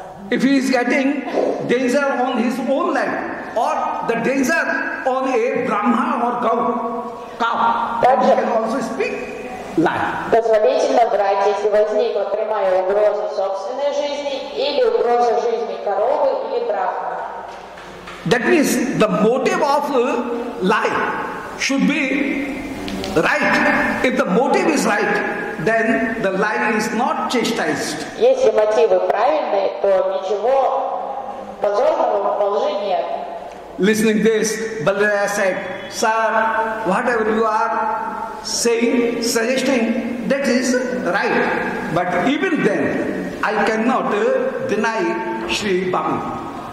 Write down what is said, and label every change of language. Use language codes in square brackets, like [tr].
[en] If he is getting danger on his own land, or the danger on a brahma or cow, [ru] также, [en] he can also speak lie. [ru] Позволительно брать, если возникла прямая угроза собственной жизни или угроза жизни коровы или брахмана. [en] That means the motive of lie should be right. If the motive is right, then the lie is not chastised. [ru] Если мотивы правильные, то ничего позорного в лжи нет. [en] Listening this, Balaraya said, sir, whatever you are saying, suggesting, that is right. But even then, I cannot deny Shri Bhama.